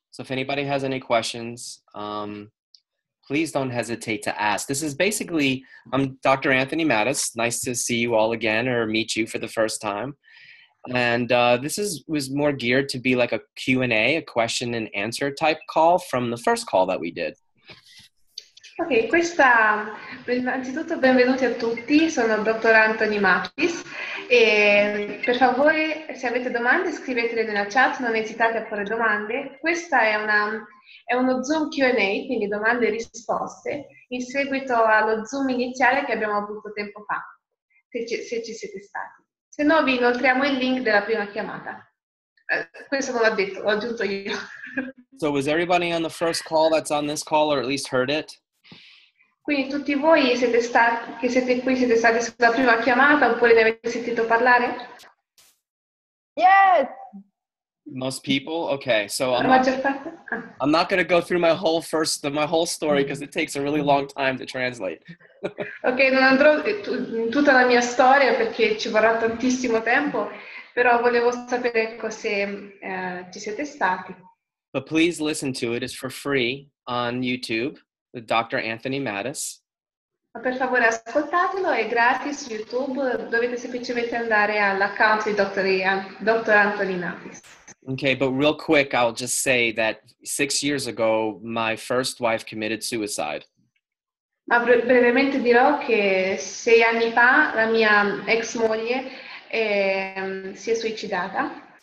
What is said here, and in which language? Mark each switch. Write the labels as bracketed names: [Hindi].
[English] So if anybody has any questions, please don't hesitate to ask. This is basically, I'm Dr. Anthony Mattis. Nice to see you all again or meet you for the first time. And this was more geared to be like a Q&A, a question and answer type call from the first call that we did. [Italian] Ok, questa, innanzitutto benvenuti a tutti, sono il dottor Anthony Mattis e per favore se avete domande scrivetele nella chat, non esitate a porre domande. Questa è una è uno Zoom Q&A, quindi domande e risposte, in seguito allo Zoom iniziale che abbiamo avuto tempo fa, se ci siete stati. Se no vi inoltriamo il link della prima chiamata. Questo non l'ho detto, l'ho aggiunto io. [English] So was everybody on the first call that's on this call or at least heard it? [Italian] Quindi tutti voi siete stati, che siete qui, siete stati sulla prima chiamata oppure ne avete sentito parlare? [English] Yes! Most people? Okay, so I'm not going to go through my whole whole story because it takes a really long time to translate. [Italian] Okay, non andrò tutta la mia storia perché ci vorrà tantissimo tempo, però volevo sapere se ci siete stati. [English] But please listen to it. It's for free on YouTube with Dr. Anthony Mattis. [Italian] Ma per favore ascoltatelo, è gratis su YouTube. Dovete semplicemente andare all'account di Dr. Anthony Mattis. [English] Okay, but real quick, I'll just say that 6 years ago, my first wife committed suicide. [Italian] Ma brevemente dirò che 6 anni fa la mia ex moglie si è suicidata.